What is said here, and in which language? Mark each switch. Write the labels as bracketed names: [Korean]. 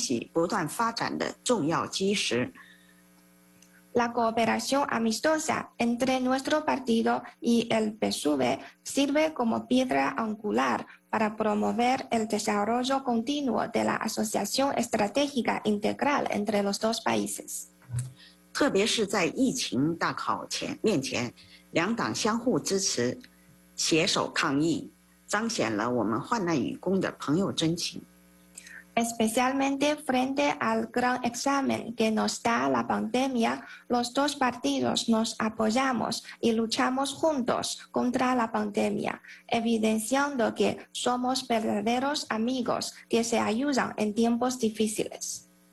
[Chinese] 中国共产党同委内瑞拉同社党的友好合作是推进我们两国全面战略伙伴关系不断发展的重要基石。 [Spanish] La cooperación amistosa entre nuestro partido y el PSUV sirve como piedra angular para promover el desarrollo continuo de la asociación estratégica integral entre los dos países. [Chinese] 特别是在疫情大考前面前，两党相互支持，携手抗疫，彰显了我们患难与共的朋友真情。 [Spanish] Especialmente frente al gran examen que nos da la pandemia, los dos partidos nos apoyamos y luchamos juntos contra la pandemia, evidenciando que somos verdaderos amigos que se ayudan en tiempos difíciles.